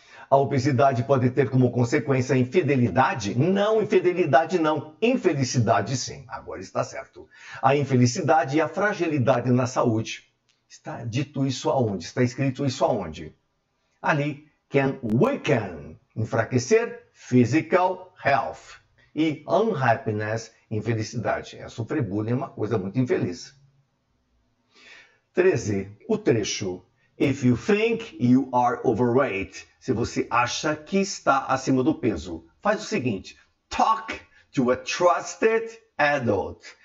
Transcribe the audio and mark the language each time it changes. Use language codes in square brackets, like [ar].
[pt] A obesidade pode ter como consequência infidelidade? Não, infidelidade não. Infelicidade, sim. Agora está certo. A infelicidade e a fragilidade na saúde. Está dito isso aonde? Está escrito isso aonde? [en] Ali, can weaken, [pt] enfraquecer, [en] physical health. [pt] E unhappiness, infelicidade. É sofrer bullying, é uma coisa muito infeliz. 13. O trecho. [en] If you think you are overweight, [pt] se você acha que está acima do peso, faz o seguinte: [en] talk to a trusted adult.